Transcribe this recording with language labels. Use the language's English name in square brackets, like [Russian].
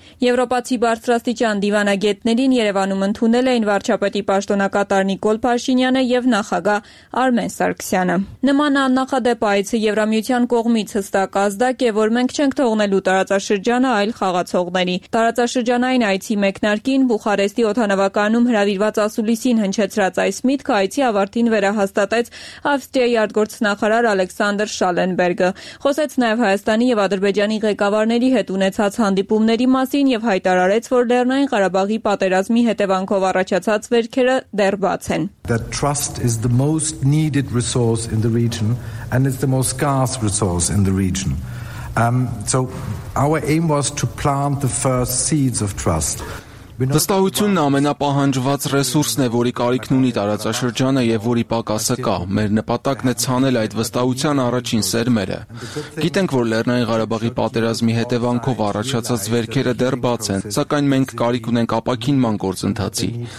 [Armenian] Եվրոպացի բարձրաստիճան դիվանագետներին Երևանում ընդունել էին վարչապետի պաշտոնակատար Նիկոլ Փաշինյանը և նախագահ Արմեն Սարգսյանը։ Նման աննախադեպ այցը Եվրամիության կողմից հստակ ազդակ է, որ մենք չենք թողնելու տարածաշրջանը այլ խաղացողների։ Տարածաշրջանային այցի մեկնարկին Բուխարեստի օդանավականում հրավիրված ասուլիսին հնչեց Այս միտքը այցի ավարտին վերահաստատեց Ավստրիայի արտգործնախարար Ալեքսանդր Շալենբերգը։ Խոսեց նաև Հայաստանի և Ադրբեջանի ղեկավարների հետ ունեցած հանդիպումների մասին և հայտարարեց, որ Լեռնային Ղարաբաղի պատերազմի հետևանքով առաջացած վերքերը դեռ բաց են։ [English] The trust is the most needed resource in the region and it's the most scarce resource in the region. So our aim was to plant the first seeds of trust. [Armenian] Վստահությունն ամենապահանջված ռեսուրսն է, որի կարիքն ունի տարածաշրջանը և որի պակասը կա։ Մեր նպատակն է ցանել այդ վստահության առաջին սերմերը։ Գիտենք, որ Լեռնային Ղարաբաղի պատերազմի հետևանքով առաջացած վերքերը դեռ բաց են, սակայն մենք կարիք ունենք ապակինման գործընթացի։